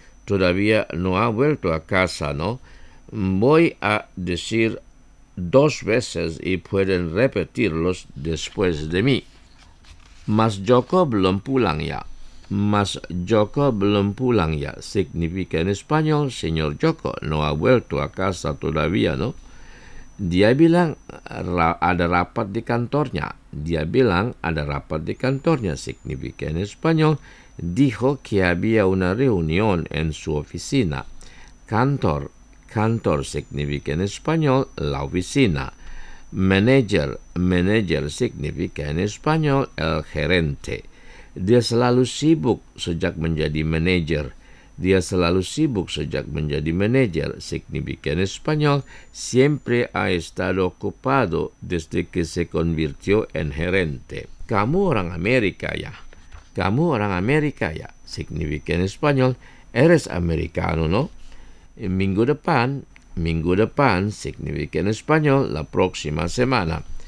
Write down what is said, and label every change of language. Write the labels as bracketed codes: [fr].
[es] Todavía no ha vuelto a casa, ¿no? Voy a decir dos veces y pueden repetirlos después de mí. [id] Mas Joko belum pulang ya. [es] Mas Joko belum pulang ya significa en español, señor Joko no ha vuelto a casa todavía, ¿no? [id] Dia bilang ada rapat di kantornya. Dia bilang ada rapat di kantornya [es] significa en español, dijo que había una reunión en su oficina. Kantor, kantor significa en español la oficina. Manager, manager significa en español el gerente. [id] Dia selalu sibuk sejak menjadi manajer. Dia selalu sibuk sejak menjadi manajer. [es] Significa en español, siempre ha estado ocupado desde que se convirtió en gerente. [id] Kamu orang Amerika ya? Kamu orang Amerika ya? [es] Significa en español, eres americano, ¿no? [id] Minggu depan [es] significa en español, la próxima semana.